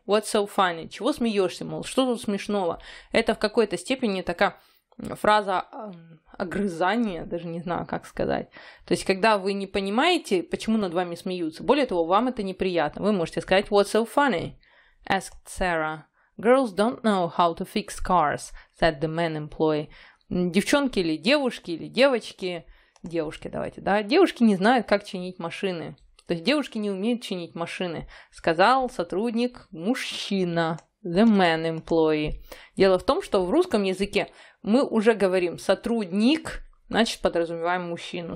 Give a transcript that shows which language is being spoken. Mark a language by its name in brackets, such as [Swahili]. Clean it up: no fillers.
[English] What's so funny? [Russian] Чего смеешься, мол, что тут смешного? Это в какой-то степени такая фраза огрызания, даже не знаю, как сказать. То есть, когда вы не понимаете, почему над вами смеются, более того, вам это неприятно, вы можете сказать [English] what's so funny? Asked Sarah. Girls don't know how to fix cars, said the man employee. [Russian] Девчонки или девочки, девушки, давайте, да, девушки не знают, как чинить машины. То есть девушки не умеют чинить машины, сказал сотрудник мужчина, [English] the man employee. [Russian] Дело в том, что в русском языке мы уже говорим сотрудник, значит, подразумеваем мужчину.